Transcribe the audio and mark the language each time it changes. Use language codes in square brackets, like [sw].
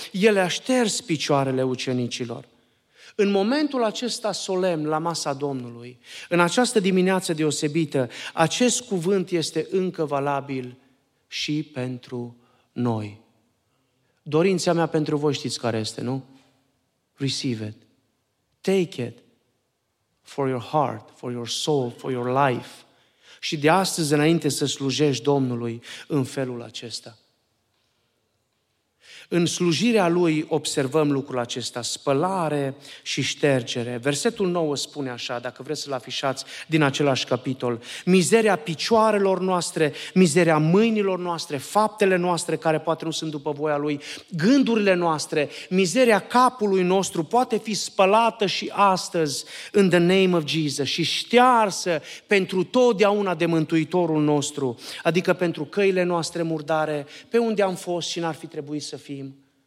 [ro] El le-a șters picioarele ucenicilor. În momentul acesta solemn, la masa Domnului, în această dimineață deosebită, acest cuvânt este încă valabil și pentru noi. Dorința mea pentru voi știți care este, nu? [en] Receive it. Take it. For your heart, for your soul, for your life. [ro] Și de astăzi înainte să slujești Domnului în felul acesta. În slujirea lui observăm lucrul acesta, spălare și ștergere. Versetul 9 spune așa, dacă vreți să-l afișați din același capitol. Mizeria picioarelor noastre, mizeria mâinilor noastre, faptele noastre care poate nu sunt după voia lui, gândurile noastre, mizeria capului nostru poate fi spălată și astăzi [en] in the name of Jesus [ro] și ștearsă pentru totdeauna de Mântuitorul nostru, adică pentru căile noastre murdare, pe unde am fost și n-ar fi trebuit să fim.